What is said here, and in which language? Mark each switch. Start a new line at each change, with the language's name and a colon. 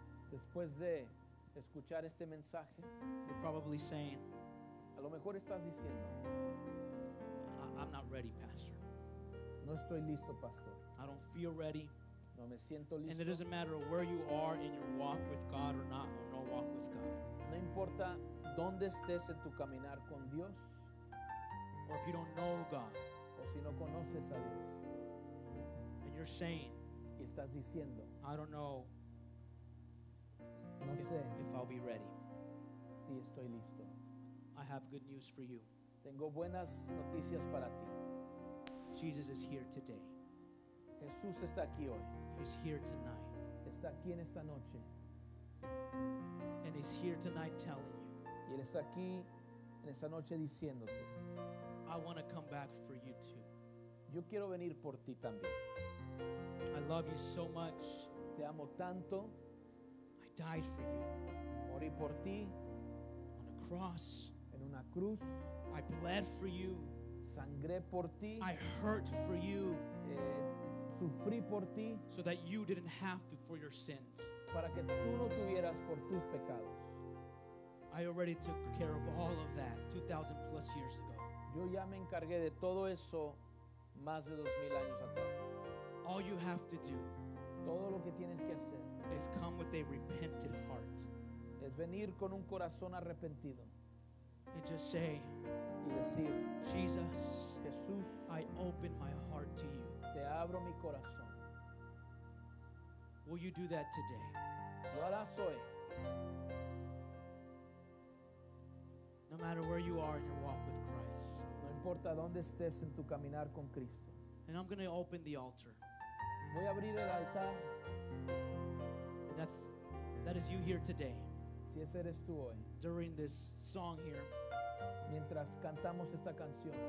Spanish: Después de escuchar este mensaje.
English: You're probably saying,
Spanish: a lo mejor estás diciendo,
English: I'm not ready, pastor.
Spanish: No estoy listo, pastor.
English: I don't feel ready.
Spanish: No me siento listo.
English: And it doesn't matter where you are in your walk with God or not, or no walk with God.
Spanish: No importa dónde estés en tu caminar con Dios,
English: or if you don't know God,
Spanish: o si no conoces a Dios.
English: And you're saying,
Spanish: y estás diciendo,
English: I don't know.
Spanish: No sé
English: if I'll be ready.
Spanish: Sí, estoy listo.
English: I have good news for you.
Spanish: Tengo buenas noticias para ti.
English: Jesus is here today.
Spanish: Jesús está aquí hoy.
English: He's here tonight.
Spanish: Está aquí en esta noche.
English: And he's here tonight telling you.
Spanish: Y él está aquí en esta noche diciéndote.
English: I want to come back for you too.
Spanish: Yo quiero venir por ti también.
English: I love you so much.
Spanish: Te amo tanto.
English: Died for you.
Spanish: Morí por ti.
English: On a cross.
Spanish: En una cruz.
English: I bled for you.
Spanish: Sangré por ti.
English: I hurt for you.
Spanish: Sufrí por ti.
English: So that you didn't have to for your sins.
Spanish: Para que tú no tuvieras por tus pecados.
English: I already took care of all of that 2,000 plus years ago.
Spanish: Yo ya me encargué de todo eso más de 2,000 años atrás.
English: All you have to do.
Spanish: Todo lo que tienes que hacer.
English: Is come with a repentant heart.
Spanish: Es venir con un corazón arrepentido.
English: And just say,
Spanish: y decir,
English: Jesus,
Spanish: Jesús,
English: I open my heart to you.
Spanish: Te abro mi corazón.
English: Will you do that today?
Spanish: Lo harás hoy.
English: No matter where you are in your walk with Christ.
Spanish: No importa dónde estés en tu caminar con Cristo.
English: And I'm going to open the altar.
Spanish: Voy a abrir el altar.
English: That is you here today.
Spanish: Si ese eres tú hoy.
English: During this song here.
Spanish: Mientras cantamos esta canción.